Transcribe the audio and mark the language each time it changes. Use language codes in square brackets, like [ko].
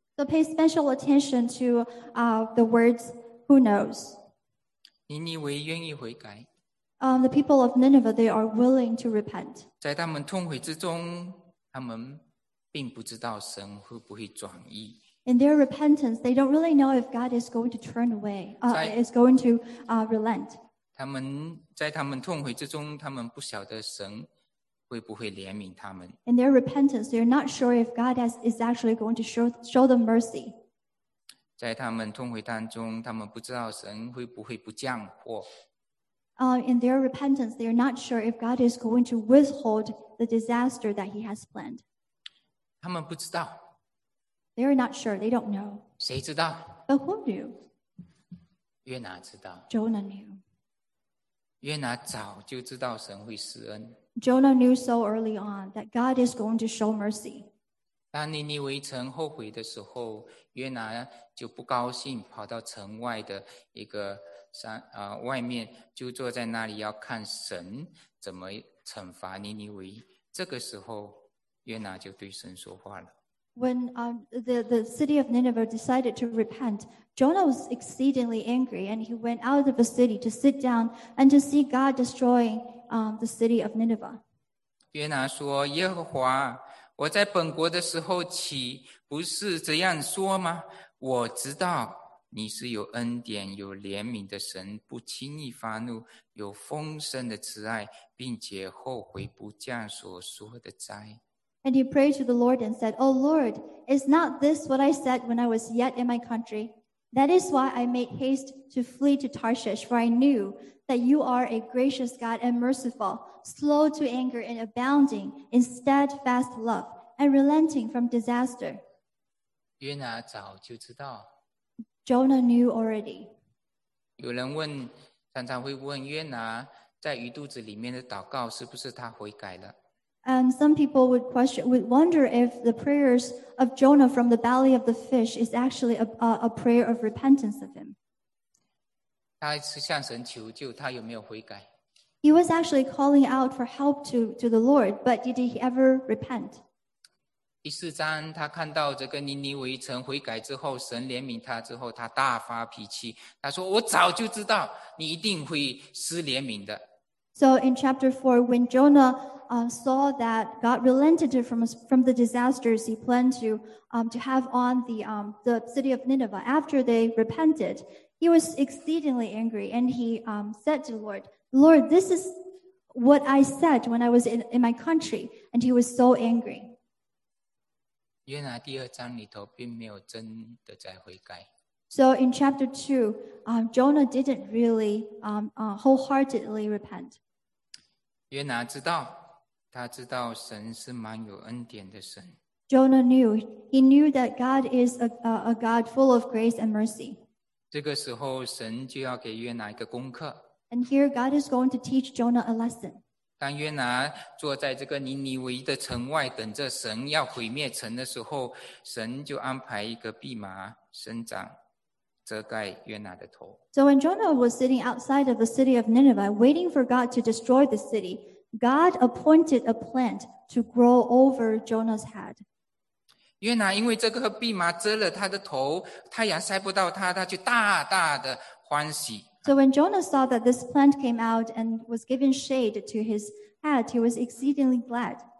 [en] So pay special attention to the words, who knows? [zh] 尼尼微愿意悔改。 [en] The people of Nineveh, they are willing to repent. [zh] 在他们痛悔之中，他们并不知道神会不会转意。 [en] In their repentance, they don't really know if God is going to turn away, is going to relent. [zh] 他们在他们痛悔之中，他们不晓得神会不会怜悯他们。 [en] In their repentance, they're not sure if God is actually going to show them mercy. [zh] 在他们痛悔当中，他们不知道神会不会不降祸。 [en] In their repentance, they are not sure if God is going to withhold the disaster that he has planned. [zh] 他们不知道。 [en] They are not sure. They don't know. [zh] 谁知道？ [en] But who knew? [zh] 约拿知道。 [en] Jonah knew. [zh] 约拿早就知道神会施恩。 [en] Jonah knew so early on that God is going to show mercy. [zh] 当尼尼微城后悔的时候，约拿就不高兴，跑到城外的一个外面就坐在那里要看神怎么惩罚尼尼微。这个时候，约拿就对神说话了。 [en] When the city of Nineveh decided to repent, Jonah was exceedingly angry, and he went out of the city to sit down and to see God destroying the city of Nineveh. [zh] 约拿说：“耶和华，我在本国的时候岂不是这样说吗？我知道。” 你是有恩典有怜悯的神，不轻易发怒，有丰盛的慈爱，并且后悔不降所说的灾。 [en] And he prayed to the Lord and said, O Lord, is not this what I said when I was yet in my country? That is why I made haste to flee to Tarshish, for I knew that you are a gracious God and merciful, slow to anger and abounding in steadfast love and relenting from disaster. [zh] 约拿早就知道。 [en] Jonah knew already. [zh] 有人问，常常会问约拿在鱼肚子里面的祷告是不是他悔改了。 [en] And some people would wonder if the prayers of Jonah from the belly of the fish is actually a prayer of repentance of him. [zh] 他是向神求救，他有没有悔改？ [en] He was actually calling out for help to the Lord, but did he ever repent? [zh] 第四章他看到这个尼尼微城悔改之后，神怜悯他之后，他大发脾气，他说，我早就知道你一定会施怜悯的。 [en] So in chapter 4, when Jonah saw that God relented from the disasters he planned to have on the city of Nineveh after they repented, he was exceedingly angry, and he said to the Lord, Lord, this is what I said when I was in my country, and he was so angry. [zh] 约拿第二章里头并没有真的在悔改。 [en] So in chapter 2, Jonah didn't really wholeheartedly repent. [zh] 约拿知道，他知道神是蛮有恩典的神。 [en] Jonah knew, he knew that God is a God full of grace and mercy. [zh] 这个时候神就要给约拿一个功课。 [en] And here God is going to teach Jonah a lesson. [zh] 当约拿坐在这个尼尼微的城外等着神要毁灭城的时候，神就安排一个蓖麻生长遮盖约拿的头。 [en] So when Jonah was sitting outside of the city of Nineveh waiting for God to destroy the city, God appointed a plant to grow over Jonah's head. [zh] 约拿因为这个蓖麻遮了他的头，太阳晒不到他，他就大大的欢喜。 [en] So when Jonah saw that this plant came out and was giving shade to his head, he was exceedingly glad.